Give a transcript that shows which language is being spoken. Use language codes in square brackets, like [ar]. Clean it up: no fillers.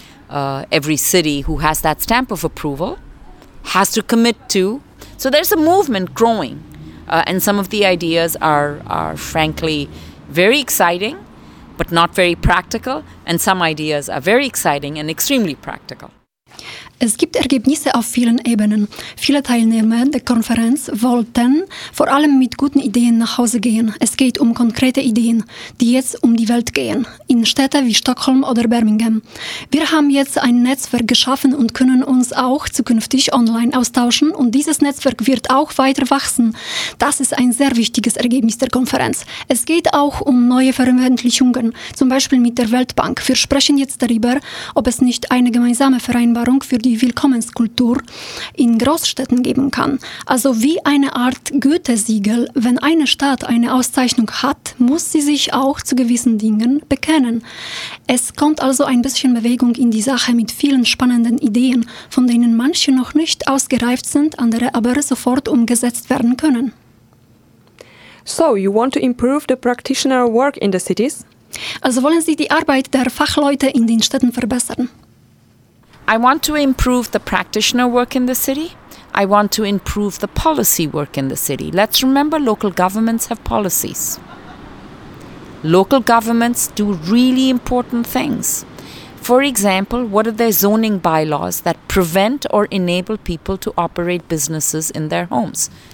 [en] Every city who has that stamp of approval has to commit to. So there's a movement growing. And some of the ideas are frankly very exciting, but not very practical. And some ideas are very exciting and extremely practical. [de] Es gibt Ergebnisse auf vielen Ebenen. Viele Teilnehmer der Konferenz wollten vor allem mit guten Ideen nach Hause gehen. Es geht um konkrete Ideen, die jetzt um die Welt gehen, in Städte wie Stockholm oder Birmingham. Wir haben jetzt ein Netzwerk geschaffen und können uns auch zukünftig online austauschen. Und dieses Netzwerk wird auch weiter wachsen. Das ist ein sehr wichtiges Ergebnis der Konferenz. Es geht auch um neue Veröffentlichungen, zum Beispiel mit der Weltbank. Wir sprechen jetzt darüber, ob es nicht eine gemeinsame Vereinbarung für die Willkommenskultur in Großstädten geben kann. Also wie eine Art Gütesiegel, wenn eine Stadt eine Auszeichnung hat, muss sie sich auch zu gewissen Dingen bekennen. Es kommt also ein bisschen Bewegung in die Sache mit vielen spannenden Ideen, von denen manche noch nicht ausgereift sind, andere aber sofort umgesetzt werden können. [en] So, you want to improve the practitioner work in the cities? [de] Also wollen Sie die Arbeit der Fachleute in den Städten verbessern? [en] I want to improve the practitioner work in the city. I want to improve the policy work in the city. Let's remember, local governments have policies. Local governments do really important things. For example, what are their zoning bylaws that prevent or enable people to operate businesses in their homes?